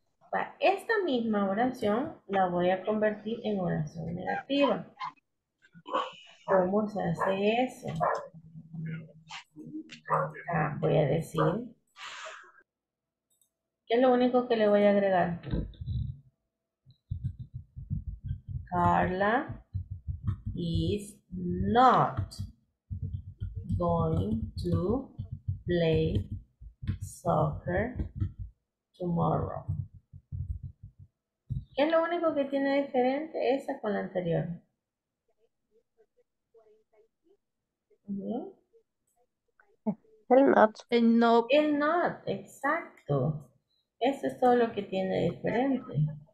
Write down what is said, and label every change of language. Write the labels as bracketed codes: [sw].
[es] Para esta misma oración la voy a convertir en oración negativa. ¿Cómo se hace eso? Voy a decir. ¿Qué es lo único que le voy a agregar? [en] Carla is not going to play soccer tomorrow. [es] ¿Qué es lo único que tiene diferente esa con la anterior? El not. El no. El not, exacto. Eso es todo lo que tiene diferente.